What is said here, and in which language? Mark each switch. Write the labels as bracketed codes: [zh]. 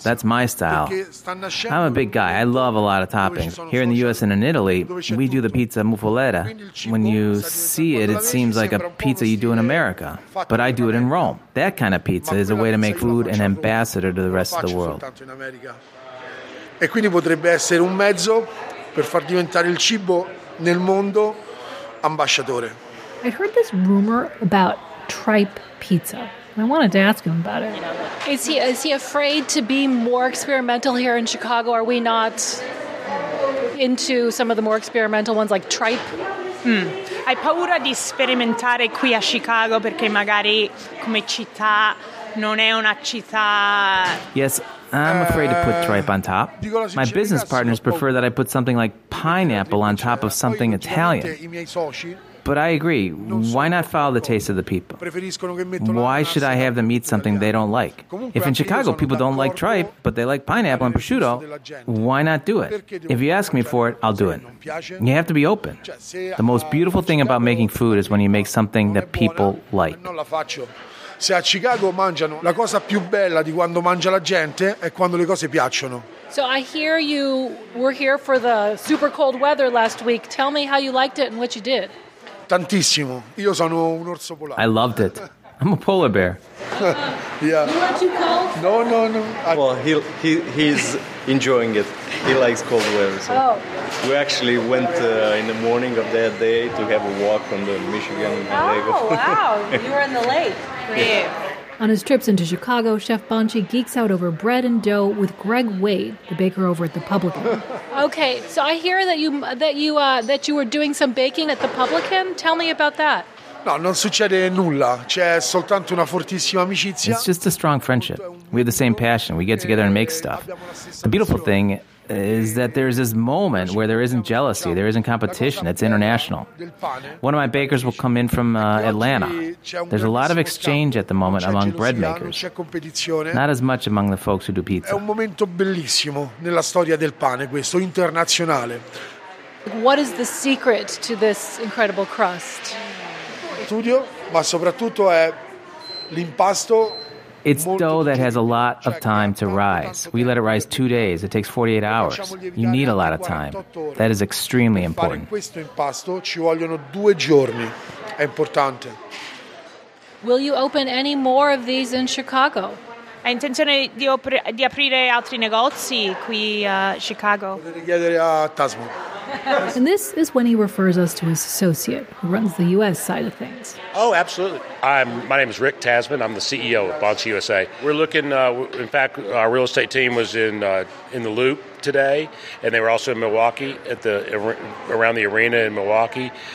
[en] That's my style. I'm a big guy. I love a lot of toppings. Here in the U.S. and in Italy, we do the pizza muffuletta. When you see it, it seems like a pizza you do in America. But I do it in Rome. That kind of pizza is a way to make food an ambassador to the rest of the world. [it] E quindi potrebbe essere un mezzo per far diventare il cibo nel mondo ambasciatore. [en] I heard this rumor about tripe pizza. I wanted to ask him about it. Is he afraid to be more experimental here in Chicago? Are we not into some of the more experimental ones like tripe? [it] Hai paura di sperimentare qui a Chicago perché magari come città non è una città. [en] Yes. I'm afraid to put tripe on top. My business partners prefer that I put something like pineapple on top of something Italian. But I agree. Why not follow the taste of the people? Why should I have them eat something they don't like? If in Chicago people don't like tripe, but they like pineapple and prosciutto, why not do it? If you ask me for it, I'll do it. You have to be open. The most beautiful thing about making food is when you make something that people like. Se a Chicago mangiano, la cosa più bella di quando mangia la gente è quando le cose piacciono. So I hear you were here for the super cold weather last week. Tell me how you liked it and what you did. [it] Tantissimo. Io sono un orso polare. [en] I loved it. I'm a polar bear. Yeah. You are too cold? No, no, no. Well, he's enjoying it. He likes cold weather. So. Oh. We actually went in the morning of that day to have a walk on the Michigan lake. Oh, wow. You were in the lake. Great. Yeah. On his trips into Chicago, Chef Bonchi geeks out over bread and dough with Greg Wade, the baker over at the Publican. Okay, so I hear that you were doing some baking at the Publican. Tell me about that. [it] No, non succede nulla. C'è soltanto una fortissima amicizia. [en] It's just a strong friendship. We have the same passion. We get together and make stuff. The beautiful thing is that there's this moment where there isn't jealousy, there isn't competition, it's international. One of my bakers will come in from Atlanta. There's a lot of exchange at the moment among bread makers, not as much among the folks who do pizza. [it] È un momento bellissimo nella storia del pane, questo internazionale. [en] What is the secret to this incredible crust? [it] Studio, ma soprattutto è l'impasto. [en] It's dough that has a lot of time to rise. We let it rise 2 days. It takes 48 hours. You need a lot of time. That is extremely important. [it] Questo impasto ci vogliono 2 giorni. È importante. [en] Will you open any more of these in Chicago? [it] Hai intenzione di aprire altri negozi qui a Chicago? Potete chiedere a Tasman. [en] And this is when he refers us to his associate, who runs the U.S. side of things. Oh, absolutely. My name is Rick Tasman. I'm the CEO of Bonchi USA. We're looking, in fact, our real estate team was in the loop today, and they were also in Milwaukee, at the around the arena in Milwaukee.